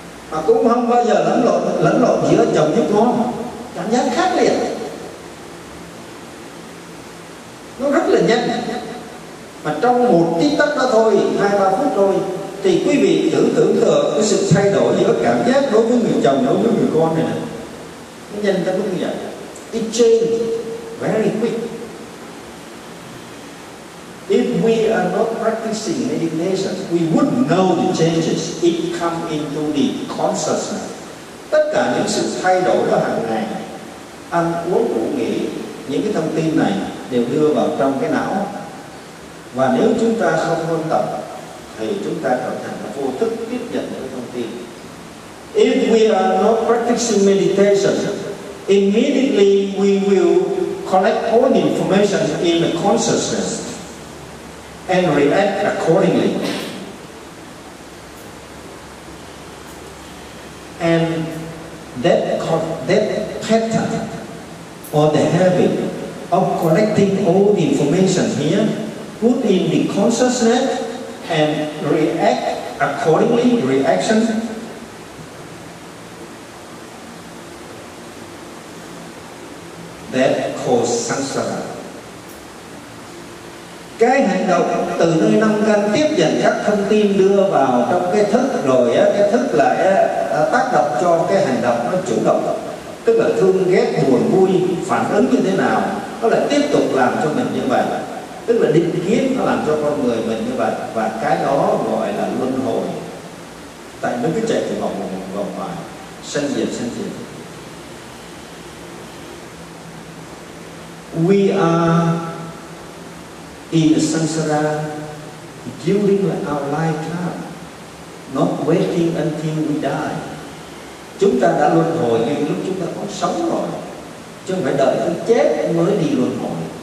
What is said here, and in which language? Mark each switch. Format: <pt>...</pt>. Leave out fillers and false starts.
<vi>mà cũng không bao giờ lẫn lộn giữa chồng với con, cảm giác khác liền, nó rất là nhanh. Mà trong một tích tắc đó thôi, 2-3 phút thôi, thì quý vị thử tưởng tượng cái sự thay đổi giữa cảm giác đối với người chồng, đối với người con này nè, nó nhanh tới mức như vậy.</vi> <en>It changed very quick. If we are not practicing meditation, we wouldn't know the changes it come into the consciousness.</en> <vi>Tất cả những sự thay đổi đó hàng ngày, ăn uống ngủ nghỉ, những cái thông tin này đều đưa vào trong cái não. Và nếu chúng ta không quan tâm, thì chúng ta trở thành vô thức tiếp nhận những thông tin.</vi> <en>If we are not practicing meditation, immediately we will collect all information in the consciousness and react accordingly. And that pattern or the habit of collecting all the information here, put in the consciousness and react accordingly, reaction, that cause samsara.</en> <vi>Cái hành động từ nơi năm căn tiếp nhận các thông tin đưa vào trong cái thức, rồi á, cái thức lại á, tác động cho cái hành động nó chủ động, tức là thương ghét buồn vui phản ứng như thế nào, nó lại tiếp tục làm cho mình như vậy, tức là định kiến nó làm cho con người mình như vậy, và cái đó gọi là luân hồi, tại nó cứ chạy từ vòng một vòng ngoài, sinh diệt.</vi> <en>We are in samsara during our lifetime, not waiting until we die.</en> <vi>Chúng ta đã luân hồi ngay lúc chúng ta còn sống rồi, chứ không phải đợi tới chết mới đi luân hồi.</vi>